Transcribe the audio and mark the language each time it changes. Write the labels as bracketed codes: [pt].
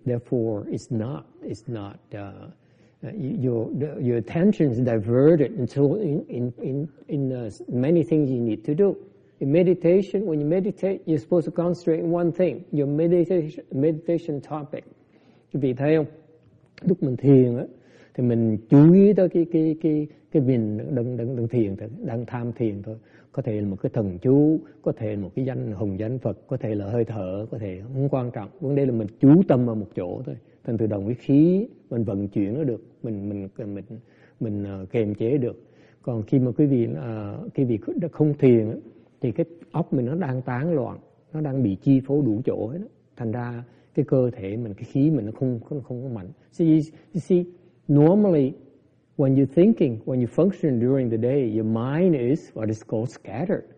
[en] Therefore, your attention is diverted until in many things you need to do. In meditation, when you meditate, you're supposed to concentrate on one thing, your meditation topic. [vi] Vì thế không? Lúc mình thiền á, thì mình chú ý tới cái mình đang thiền, đang tham thiền thôi. Có thể là một cái thần chú, có thể là một cái danh hồng danh Phật, có thể là hơi thở, có thể không quan trọng. Vấn đề là mình chú tâm vào một chỗ thôi. Thành từ đồng với khí, mình vận chuyển nó được, mình kềm chế được. Còn khi mà quý vị không thiền thì cái óc mình nó đang tán loạn, nó đang bị chi phối đủ chỗ hết đó. Thành ra cái cơ thể mình, cái khí mình nó không có mạnh. [en] So you see, normally when you're thinking, when you function during the day, your mind is what is called scattered.